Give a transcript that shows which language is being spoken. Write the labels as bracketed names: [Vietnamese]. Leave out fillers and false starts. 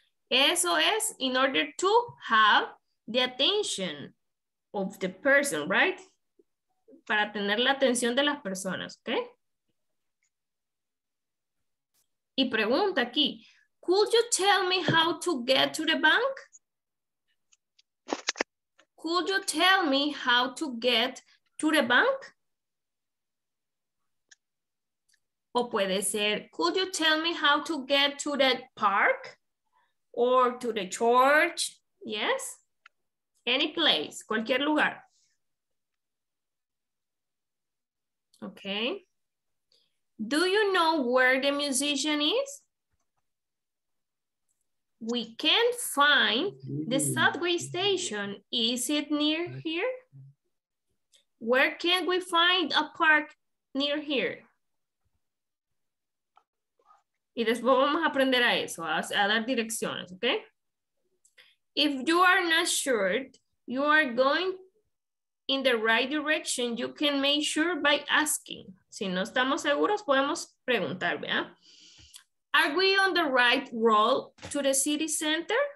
[Spanish] Eso es [English] in order to have the attention of the person, right? [Spanish] Para tener la atención de las personas, ¿ok? Y pregunta aquí, [English] could you tell me how to get to the bank? Could you tell me how to get to the bank? [Spanish] O puede ser, [English] could you tell me how to get to the park? Or to the church? Yes? Any place, [Spanish] cualquier lugar. [English] Okay. Do you know where the musician is? We can find the subway station. Is it near here? Where can we find a park near here? [Spanish] Y después vamos a aprender a eso, a dar direcciones, okay? [English] If you are not sure you are going in the right direction, you can make sure by asking. [Spanish] Si no estamos seguros, podemos preguntar, ¿verdad? [English] Are we on the right road to the city center?